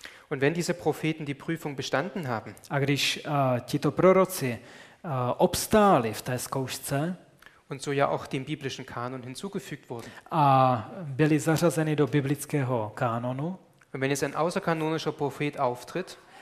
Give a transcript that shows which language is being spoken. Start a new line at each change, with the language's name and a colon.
German: Und wenn diese Propheten die Prüfung bestanden haben.
Czech: A když tito proroci obstáli v té zkoušce.
German: Und so ja auch dem biblischen Kanon hinzugefügt wurden.
Czech: A byli zařazeni do biblického kanonu.
German: Und wenn jetzt ein außerkanonischer Prophet auftritt.